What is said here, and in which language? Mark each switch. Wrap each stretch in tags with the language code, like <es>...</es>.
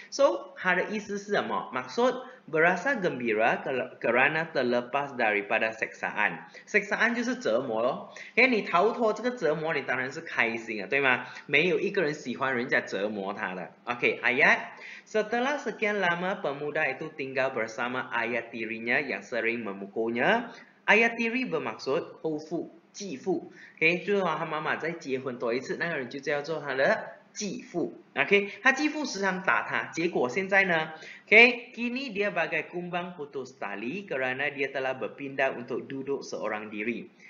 <ms>So</ms> <zh>它的意思是什么</zh> <ms>？Maksud berasa gembira kerana terlepas daripada seksaan.</ms> <zh>Seksaan 就是折磨咯。哎，你逃脱这个折磨，你当然是开心啊，对吗？没有一个人喜欢人家折磨他的。</zh> <ms>OK， ayat. Setelah sekian lama pemuda itu tinggal bersama ayah tirinya yang sering memukulnya. Ayah tiri bermaksud hufu.</ms> <zh>继父 ，OK， 就是说他妈妈再结婚多一次，那个人就叫做他的继父 ，OK， 他继父时常打他，结果现在呢 ，OK，</zh> <ms>kini dia bagai kumbang putus tali kerana dia telah berpindah untuk duduk seorang diri。</ms>